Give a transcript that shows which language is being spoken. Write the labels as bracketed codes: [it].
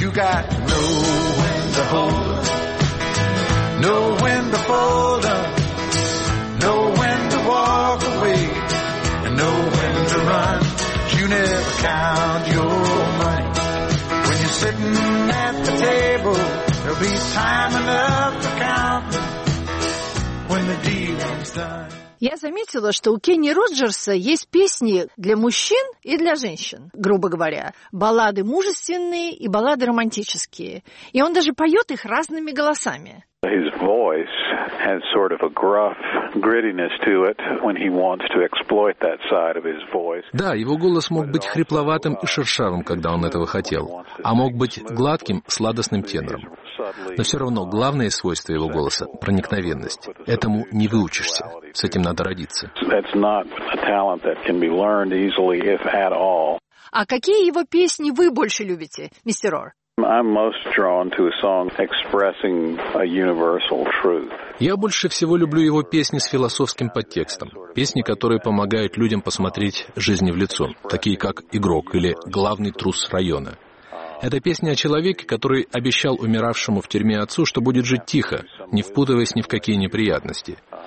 [en] You got to know when to hold 'em, know when to fold 'em, know when to walk away, and know when to run. You never count your money. When you're sitting at the table, there'll be time enough to count when the dealing's done. [ru] Я заметила, что у Кенни Роджерса есть песни для мужчин и для женщин, грубо говоря. Баллады мужественные и баллады романтические. И он даже поет их разными голосами. [en] His voice has sort of a gruff grittiness to it when he wants to exploit that side of his voice. [ru] Да, его голос мог быть хрипловатым и шершавым, когда он этого хотел, а мог быть гладким, сладостным тенором. Но все равно главное свойство его голоса — проникновенность. Этому не выучишься. С этим надо родиться. [en] That's not a talent that can be learned easily, if at all. [ru] А какие его песни вы больше любите, мистер Ор? [en] I'm most drawn to a song expressing a universal truth. [ru] Я больше всего люблю его песни с философским подтекстом. Песни, которые помогают людям посмотреть жизни в лицо, такие как «Игрок» или «Главный трус района». Это песня о человеке, который обещал умиравшему в тюрьме отцу, что будет жить тихо, не впутываясь ни в какие неприятности.